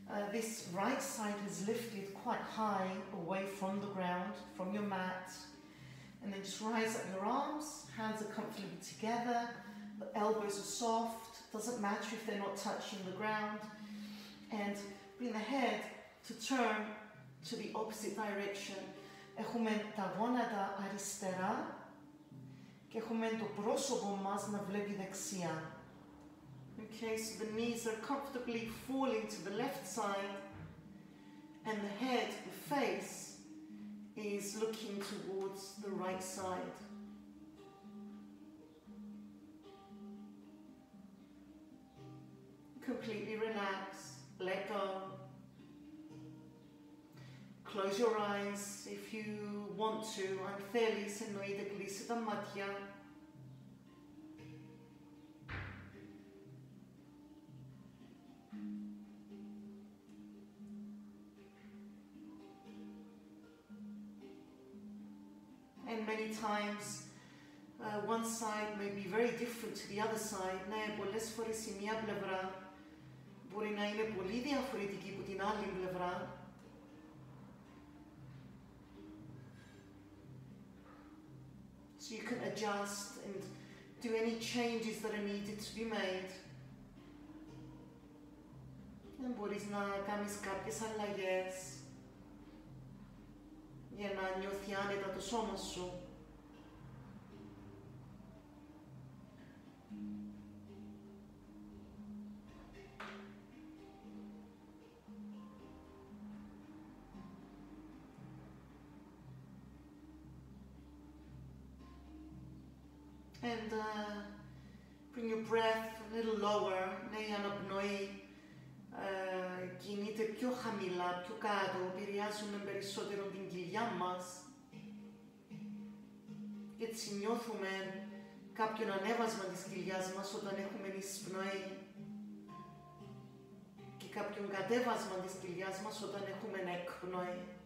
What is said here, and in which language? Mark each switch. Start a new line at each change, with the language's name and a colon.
English: This right side is lifted quite high away from the ground, from your mat. And then just rise up your arms, hands are comfortably together, the elbows are soft, doesn't matter if they're not touching the ground. And bring the head to turn to the opposite direction.
Greek: Έχουμε τα γόνατα αριστερά και έχουμε το πρόσωπο μας να βλέπει δεξιά.
English: Okay, so the knees are comfortably falling to the left side and the head, the face, is looking towards the right side. Completely relax, let go. Close your eyes if you want to. I'm fairly
Greek: συνοείται κλείσει τα μάτια.
English: And many times, one side may be very different to the other side.
Greek: Ναι, πολλές φορές η μία πλευρά μπορεί να είναι πολύ διαφορετική από την άλλη πλευρά.
English: So you can adjust and do any changes that are needed to be made.
Greek: Δεν μπορείς να κάνεις κάποιες αλλαγές για να νιώθει άνετα το σώμα σου.
English: And bring your breath a little lower.
Greek: Ναι, η αναπνοή κινείται πιο χαμηλά, πιο κάτω, επηρεάζουμε περισσότερο την κοιλιά μας. Έτσι νιώθουμε κάποιον ανέβασμα της κοιλιάς μας όταν έχουμε εισπνοή και κάποιον κατέβασμα της κοιλιάς μας όταν έχουμε εκπνοή.